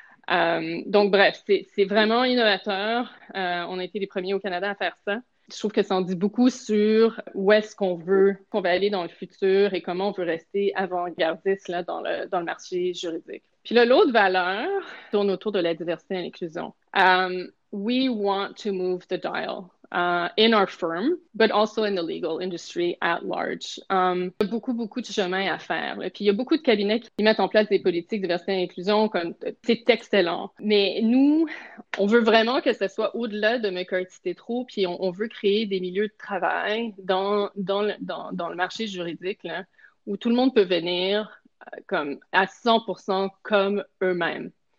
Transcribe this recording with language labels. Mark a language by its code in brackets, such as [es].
[fr] Donc, bref, c'est vraiment innovateur. On a été les premiers au Canada à faire ça. Je trouve que ça en dit beaucoup sur où est-ce qu'on va aller dans le futur et comment on veut rester avant-gardiste là, dans le marché juridique. Puis là, l'autre valeur tourne autour de la diversité et l'inclusion. [en] We want to move the dial in our firm, but also in the legal industry at large. [fr] Il y a beaucoup, beaucoup de chemin à faire. Et puis, il y a beaucoup de cabinets qui mettent en place des politiques de diversité et d'inclusion, comme c'est excellent. Mais nous, on veut vraiment que ce soit au-delà de McCarthy-Tétrault, puis on veut créer des milieux de travail dans le marché juridique, là, où tout le monde peut venir comme à 100% comme eux-mêmes.